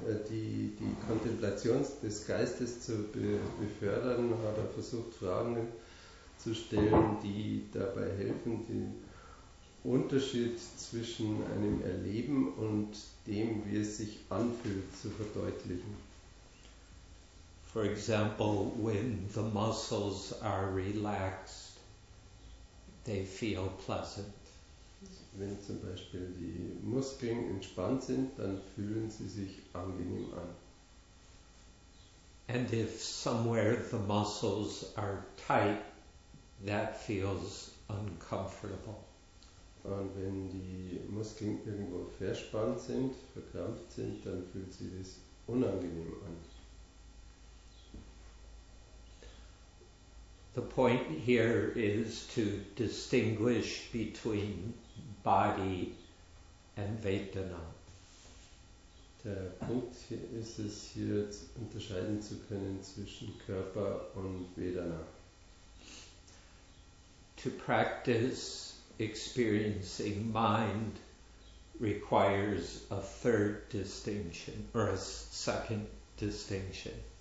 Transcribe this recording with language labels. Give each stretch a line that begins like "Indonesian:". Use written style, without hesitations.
German: Die Kontemplation des Geistes zu befördern, hat er versucht, Fragen zu stellen, die dabei helfen, den Unterschied zwischen einem Erleben und dem, wie es sich anfühlt, zu verdeutlichen.
English: For example, when the muscles are relaxed, they feel pleasant.
German: Wenn zum Beispiel die Muskeln entspannt sind, dann fühlen sie sich angenehm an.
English: And if somewhere the muscles are tight, that feels uncomfortable.
German: Und wenn die Muskeln irgendwo verspannt sind, verkrampft sind, dann fühlt sich das unangenehm an.
English: The point here is to distinguish between body and Vedana.
German: Der Punkt hier ist es, hier zu unterscheiden zu können zwischen Körper und Vedana.
English: To practice experiencing mind requires a third distinction, or a second distinction.